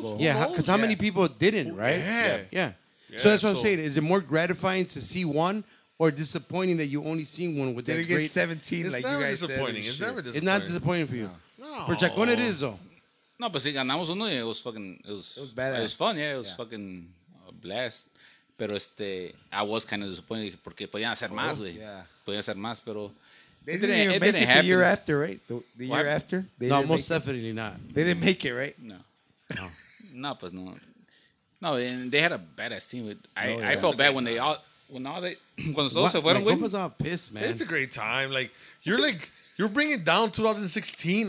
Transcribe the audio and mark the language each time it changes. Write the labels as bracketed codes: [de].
[en] Yeah, because how many people didn't, right? Yeah. So that's what I'm saying. Is it more gratifying to see one? Or disappointing that you only seen one with that great 17 it's like you guys said. It's never disappointing. It's never disappointing. It's not disappointing for you. No. For Chacon, it is, though. No, but [es] si ganamos uno, [en] it was fucking... It was badass. It was fun, yeah. It was fucking a blast. [es] Pero [en] I was kind of disappointed [es] porque podían hacer más, güey. [en] Yeah. [es] Podían hacer más, pero... [en] They didn't make it the year after, right? The year after? They no, most definitely it. Not. They didn't make it, right? No. No. No, [es] pues no. [en] No, and they had a badass team. I felt bad when they all... all pissed, man. It's a great time. Like you're like you're bringing down 2016.